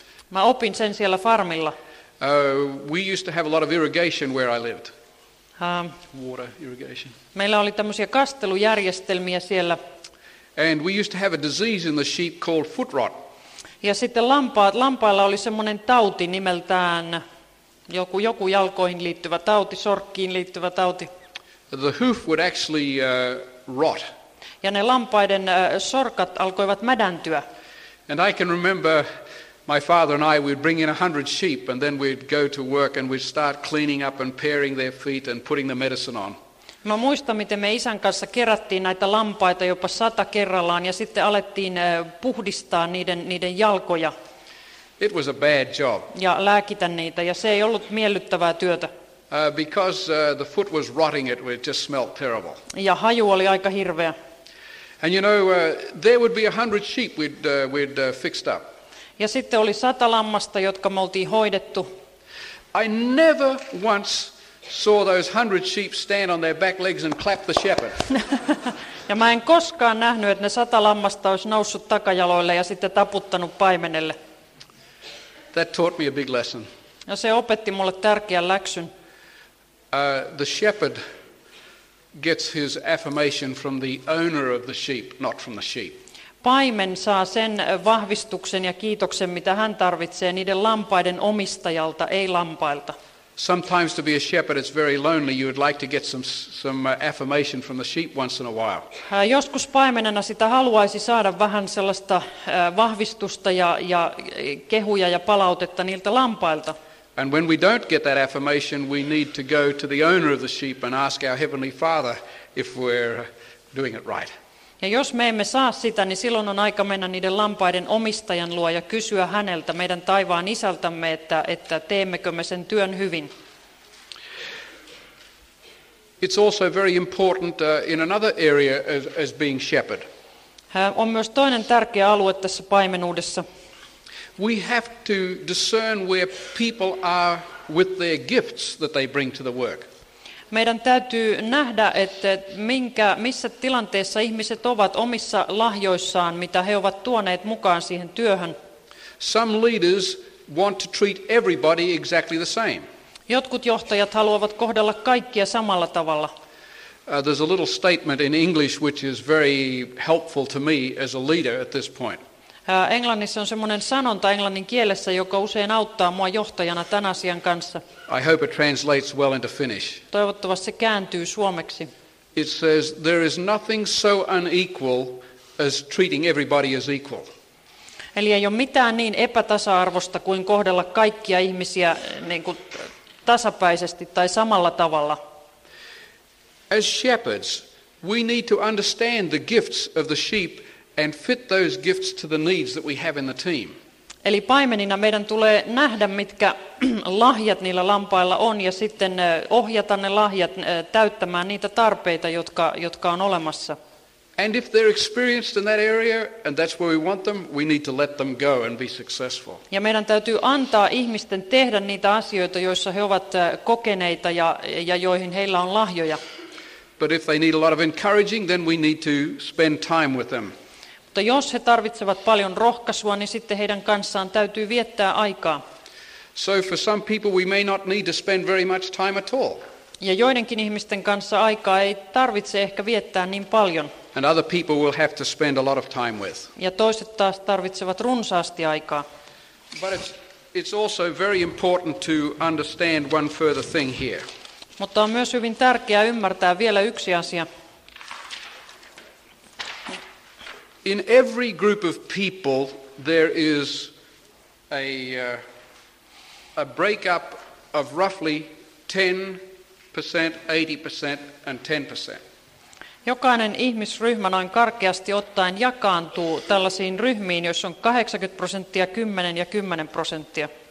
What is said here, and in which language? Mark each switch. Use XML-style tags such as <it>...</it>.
<fi>Mä opin sen siellä farmilla.</fi> <en>We used to have a lot of irrigation where I lived. Water irrigation.</en> <fi>Meillä oli tämmöisiä kastelujärjestelmiä siellä.</fi> <en>And we used to have a disease in the sheep called foot rot.</en> <fi>Ja sitten lampailla oli semmoinen tauti nimeltään joku jalkoihin liittyvä tauti, sorkkiin liittyvä tauti.</fi> <en>The hoof would actually rot.</en> <fi>Ja ne lampaiden sorkat alkoivat mädäntyä.</fi> <en>And I can remember my father and I would bring in 100 sheep and then we'd go to work and we'd start cleaning up and paring their feet and putting the medicine on.</en> <fi>Mä muistan, miten me isän kanssa kerättiin näitä lampaita jopa 100 kerrallaan ja sitten alettiin puhdistaa niiden jalkoja.</fi> <en>It was a bad job.</en> <fi>Ja lääkitä niitä ja se ei ollut miellyttävää työtä.</fi> <en>Because the foot was rotting, it just smelled terrible.</en> <fi>Ja haju oli aika hirveä.</fi> <en>And you know there would be 100 sheep we'd fixed up.</en> <fi>Ja sitten oli 100 lammasta, jotka me oltiin hoidettu.</fi> <en>I never once saw those 100 sheep stand on their back legs and clap the shepherd.</en> <fi>Ja mä en koskaan nähnyt, että ne 100 lammasta olisi noussut takajaloille ja sitten taputtanut paimenelle.</fi> <en>That taught me a big lesson.</en> <fi>Ja se opetti mulle tärkeän läksyn.</fi> <en>The shepherd gets his affirmation from the owner of the sheep, not from the sheep.</en> <fi>Paimen saa sen vahvistuksen ja kiitoksen, mitä hän tarvitsee niiden lampaiden omistajalta, ei lampailta.</fi> <en>Sometimes to be a shepherd it's very lonely. You would like to get some affirmation from the sheep once in a while.</en> <fi>Joskus paimenena sitä haluaisi saada vähän sellaista vahvistusta ja kehuja ja palautetta niiltä lampailta.</fi> <en>And when we don't get that affirmation, we need to go to the owner of the sheep and ask our heavenly Father if we're doing it right.</en> <fi>Ja jos me emme saa sitä, niin silloin on aika mennä niiden lampaiden omistajan luo ja kysyä häneltä, meidän taivaan isältämme, että teemmekö me sen työn hyvin.</fi> <en>It's also very important in another area as being shepherd.</en> <fi>On myös toinen tärkeä alue tässä paimenuudessa.</fi> <en>We have to discern where people are with their gifts that they bring to the work.</en> <fi>Meidän täytyy nähdä, että missä tilanteessa ihmiset ovat omissa lahjoissaan, mitä he ovat tuoneet mukaan siihen työhön.</fi> <en>Some leaders want to treat everybody exactly the same.</en> <fi>Jotkut johtajat haluavat kohdella kaikkia samalla tavalla.</fi> <en>There's a little statement in English which is very helpful to me as a leader at this point.</en> <fi>Englannissa on semmoinen sanonta englannin kielessä, joka usein auttaa mua johtajana tämän asian kanssa.</fi> <en>I hope it translates well into Finnish.</en> <fi>Toivottavasti se kääntyy suomeksi.</fi> <en>It says there is nothing so unequal as treating everybody as equal.</en> <fi>Eli ei ole mitään niin epätasa-arvosta kuin kohdella kaikkia ihmisiä niin kuin tasapäisesti tai samalla tavalla.</fi> <en>As shepherds, we need to understand the gifts of the sheep and fit those gifts to the needs that we have in the team.</en> <fi>Eli paimenina meidän tulee nähdä, mitkä lahjat niillä lampailla on, ja sitten ohjata ne lahjat täyttämään niitä tarpeita, jotka on olemassa.</fi> <en>And if they're experienced in that area and that's where we want them, we need to let them go and be successful.</en> <fi>Ja meidän täytyy antaa ihmisten tehdä niitä asioita, joissa he ovat kokeneita ja joihin heillä on lahjoja.</fi> <en>But if they need a lot of encouraging, then we need to spend time with them.</en> <fi>Mutta jos he tarvitsevat paljon rohkaisua, niin sitten heidän kanssaan täytyy viettää aikaa.</fi> <en>So for some people we may not need to spend very much time at all.</en> <fi>Ja joidenkin ihmisten kanssa aikaa ei tarvitse ehkä viettää niin paljon.</fi> <en>And other people will have to spend a lot of time with.</en> <fi>Ja toiset taas tarvitsevat runsaasti aikaa.</fi> <en>But it's also very important to understand one further thing here.</en> <fi>Mutta on myös hyvin tärkeää ymmärtää vielä yksi asia.</fi> <en>In every group of people there is a breakup of roughly 10%, 80% and 10%.</en> <fi>Jokainen ihmisryhmä noin karkeasti ottaen jakaantuu tällaisiin ryhmiin, joissa on 80%, 10 ja 10%.</fi>